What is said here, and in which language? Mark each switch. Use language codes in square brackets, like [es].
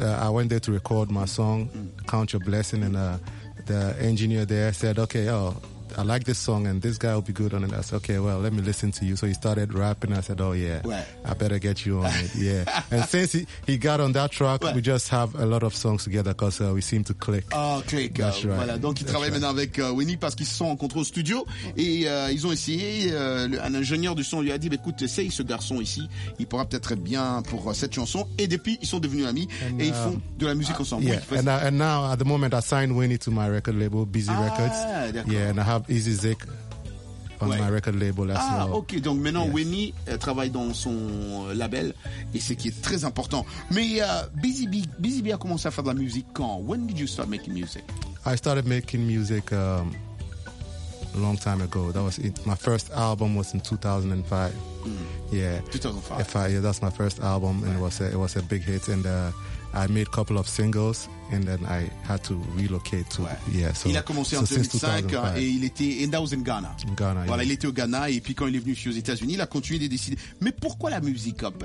[en] I went there to record my song, mm-hmm. Count Your Blessing, and the engineer there said, okay, oh, I like this song and this guy will be good on it. I said, okay, well, let me listen to you. So he started rapping. I said, oh, yeah, right. I better get you on it. Yeah. And since he got on that track, right. We just have a lot of songs together because we seem to click. Oh, click. That's right. [fr] Voilà. Donc, ils travaillent maintenant avec Winnie parce qu'ils sont en contrôle studio. Et ils ont essayé. Un ingénieur du son lui a dit, écoute, essaye ce garçon ici. Il pourra peut-être être bien pour cette chanson. Et depuis, ils sont devenus amis et ils font de la musique ensemble. [en] Yeah. Oui, and now, at the moment, I signed Winnie to my record label, Busy Records. [fr] D'accord. [en] Yeah, and I have Easy Zick on my record label as well. [fr] Ah, ok, donc maintenant yes. Winnie travaille dans son label et c'est qui est très important. Mais Busy Bee a commencé à faire de la musique quand? [en] When did you start making music? I started making music a long time ago. That was it. My first album was in 2005. Mm. Yeah. 2005. If I, yeah, that's my first album and it was a big hit and I made a couple of singles and then I had to relocate to yeah so [fr] il a commencé en 2005 et il était [en] and that was in Ghana. In Ghana. [fr] Voilà, [en] yeah. [fr] Il était au Ghana et puis quand il est venu aux États-Unis, il a continué de décider mais pourquoi la musique?